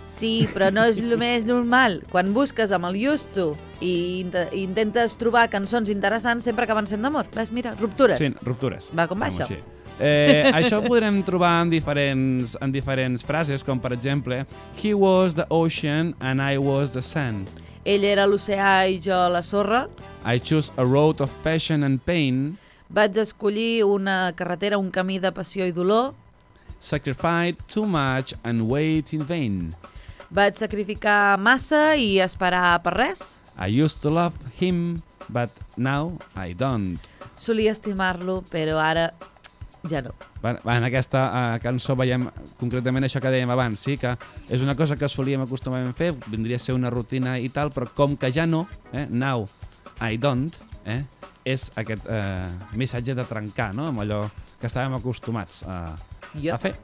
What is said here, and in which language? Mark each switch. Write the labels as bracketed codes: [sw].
[ca] Sí, però no és el més normal. Quan busques amb el used to i intentes trobar cançons interessants, sempre acaben sent d'amor. Ves, mira, ruptures. Sí, ruptures. Va, com va això? Així. Això ho podrem trobar en diferents frases, com per exemple [en] He was the ocean and I was the sand. [ca] Ell era l'oceà i jo la sorra. [en] I chose a road of passion and pain. [ca] Vaig escollir una carretera, un camí de passió i dolor. [en] Sacrificed too much and wait in vain. [ca] Vaig sacrificar massa i esperar per res. [en] I used to love him, but now I don't. [ca] Solia estimar-lo, però ara ja no. En aquesta cançó veiem concretament això que dèiem abans, sí, que és una cosa que solíem acostumar a fer, vindria a ser una rutina i tal, però com que ja no, [en] now I don't, [ca] és aquest missatge de trencar, no?, amb allò que estàvem acostumats a fer.